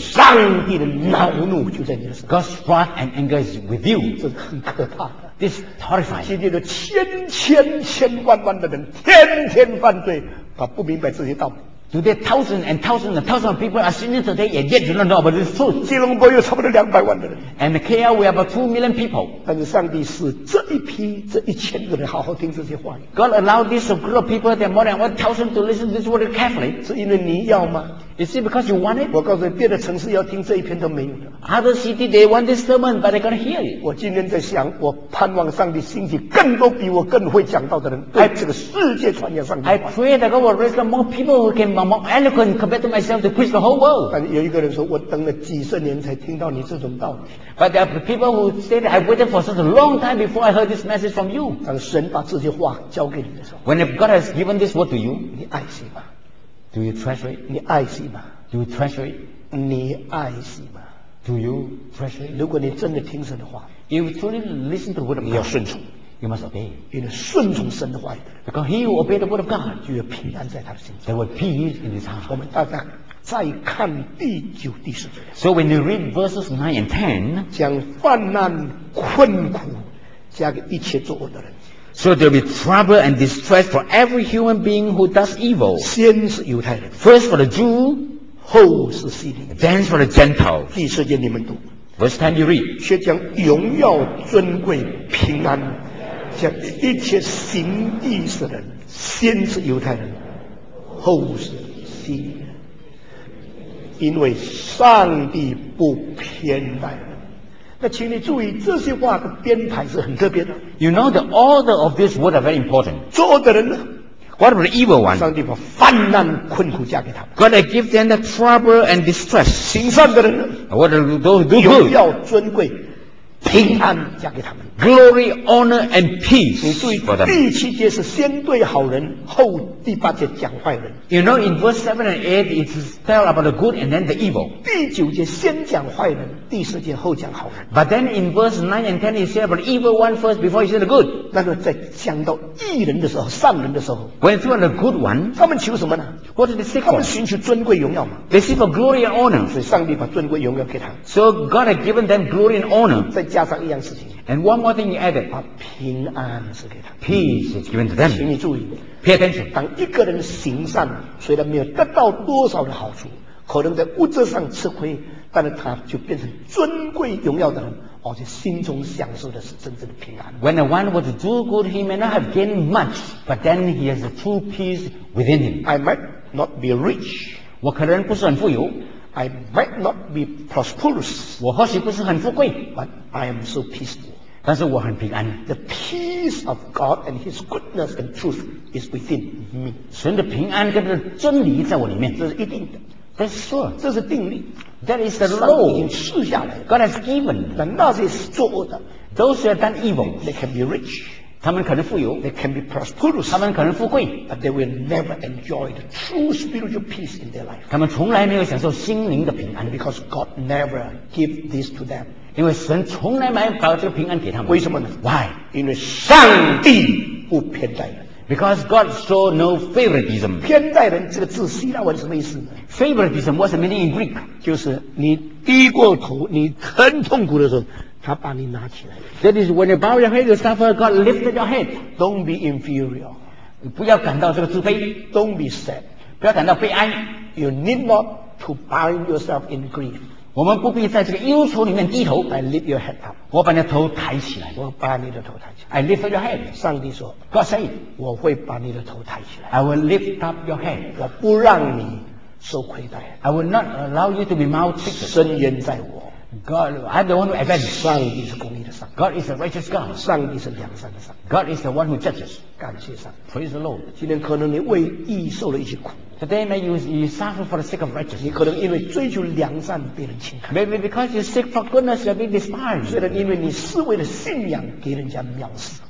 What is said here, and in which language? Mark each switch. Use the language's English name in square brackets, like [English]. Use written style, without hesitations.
[Chinese] 上帝的恼怒就在你的身上 [English] ，God's wrath and anger is with you， [Chinese] 这是很可怕的。 [English] This is horrifying。 [Chinese] 今天的千千千万万的人天天犯罪，他不明白这些道理。 [English] Today thousands and thousands and thousands of people are sinning today and yet do not know about this truth. [Chinese] 吉隆坡有差不多200万的人。 [English] And KL we have about 2 million people. [Chinese] 但是上帝是这一批这一千个人好好听这些话语。 [English] God allowed this group of people that more than 1,000 to listen to this word carefully. [Chinese] 是因为你要吗 [English] ？Is it because you want it? [Chinese] 我告诉你，别的城市要听这一篇都没有的。 [English] Other city they want this sermon but they can't hear it. [Chinese] 我今天在想，我盼望上帝兴起更多比我更会讲道的人，对这个世界传扬上帝的话。 [English] I pray that God will raise more people who can. I'm more eloquent compared to myself to preach the whole world. [Chinese] 但有一个人说，我等了几十年才听到你这种道理。 [English] But there are people who say that I waited for such a long time before I heard this message from you. [Chinese] 当神把这些话交给你的时候 [English] ，When God has given this word to you, [Chinese] 你爱惜吧。 [English] Do you treasure it? [Chinese] 你爱惜吗？ [English] Do you treasure it? [Chinese] 你爱惜吗？ [English] Do you treasure it? [Chinese] 如果你真的听神的话， [English] If you truly listen to the word of God, [Chinese] 你要顺从。 [English] You must obey. [Chinese] 因为顺从神的话语的人， [English] Because he who obeyed the word of God, [Chinese] 就有平安在他的心中。 [English] There was peace in his heart. [Chinese] 我们大家再看第九、第十节。 [English] So when you read verses 9 and 10, [Chinese] 将患难困苦加给一切作恶的人。 [English] So there will be trouble and distress for every human being who does evil. [Chinese] 先是犹太人。 [English] First for the Jew, [Chinese] 后是希利。 [English] Then for the Gentiles. [Chinese] 第十节你们读。 [English] Verse 10 you read. [Chinese] 却将荣耀、尊贵、平安将一切行义事的人，先是犹太人，后是希利。因为上帝不偏待人。那请你注意，这些话的编排是很特别的。 [English] You know the order of this word are very important. [Chinese] 作恶的人呢？ [English] What about the evil one? [Chinese] 上帝把患难困苦加给他们。 [English] God give them the trouble and distress. [Chinese] 行善的人呢？ [English] What are those who do good? [Chinese] 荣耀尊贵平安加给他们。 [English] Glory, honor and peace. [Chinese] 你注意，第七节是先对好人，后第八节讲坏人。 [English] You know, in verse 7 and 8, it is tell about the good and then the evil. [Chinese] 第九节先讲坏人，第十节后讲好人。 [English] But then in verse 9 and 10, it says about the evil one first before he says the good. [Chinese] 那个在讲到义人的时候，善人的时候。 [English] When it's about the good one, [Chinese] 他们求什么呢？ [English] What did they seek for? [Chinese] 他们寻求尊贵荣耀嘛。 [English] They seek for glory and honor. [Chinese] 所以上帝把尊贵荣耀给他。 [English] So God had given them glory and honor. [Chinese] 再加上一样事情。 [English] And one more thing you added, [Chinese] 把平安赐给他。 [English] Peace is given to them. [Chinese] 请你注意。 [English] Pay attention. [Chinese] 当一个人行善，虽然没有得到多少的好处，可能在物质上吃亏，但是他就变成尊贵荣耀的人，而且心中享受的是真正的平安。 [English] When a one was to do good, he may not have gained much, but then he has a true peace within him. I might not be rich. [Chinese] 我可能不是很富有。 [English] I might not be prosperous. [Chinese] 我或许不是很富贵。 [English] But I am so peaceful. [Chinese] 但是我很平安。 [English] The peace of God and His goodness and truth is within me. [Chinese] 神的平安跟真理在我里面。这是一定的。 [English] That's sure. [Chinese] 这是定律。 [English] That is the law. [Chinese] 已经赐下来。 [English] God has given. [Chinese] 但那些是作恶的。 [English] Those who have done evil, they can be rich. [Chinese] 他们可能富有。 [English] They can be prosperous. [Chinese] 他们可能富贵。 [English] But they will never enjoy the true spiritual peace in their life. [Chinese] 他们从来没有享受心灵的平安。 [English] Because God never gave this to them. [Chinese] 因为神从来没把这个平安给他们。为什么呢？ [English] Why? [Chinese] 因为上帝不偏待人。 [English] Because God show no favoritism. [Chinese] 偏待人这个字希腊文什么意思？ [English] Favoritism, what's the meaning in Greek? [Chinese] 就是你低过头，你很痛苦的时候，他把你拿起来。 [English] That is when you bow your head, you suffer, God lifted your head. Don't be inferior. [Chinese] 不要感到这个自卑。 [English] Don't be sad. [Chinese] 不要感到悲哀。 [English] You need not to bind yourself in grief. [Chinese] 我们不必在这个忧愁里面低头。 [English] I lift your head up. [Chinese] 我把你的头抬起来。我把你的头抬起来。 [English] I lift up your head. [Chinese] 上帝说 [English] ，God said， [Chinese] 我会把你的头抬起来。 [English] I will lift up your head. [Chinese] 我不让你受亏待。 [English] I will not allow you to be maltreated. [Chinese] 深渊在我。 [English] God, I'm the one who avenges. [Chinese] 上帝是公义的上帝。 [English] God is a righteous God. [Chinese] 上帝是良善的上帝。 [English] God is the one who judges. [Chinese] 感谢上帝。 [English] Praise the Lord. [Chinese] 今天可能你为义受了一些苦。 [English] Today, may you suffer for the sake of righteousness. [Chinese] 你可能因为追求良善被人轻看。 [English] Maybe because you seek for goodness, you are being despised. [Chinese] 虽然因为你是为了信仰给人家藐视。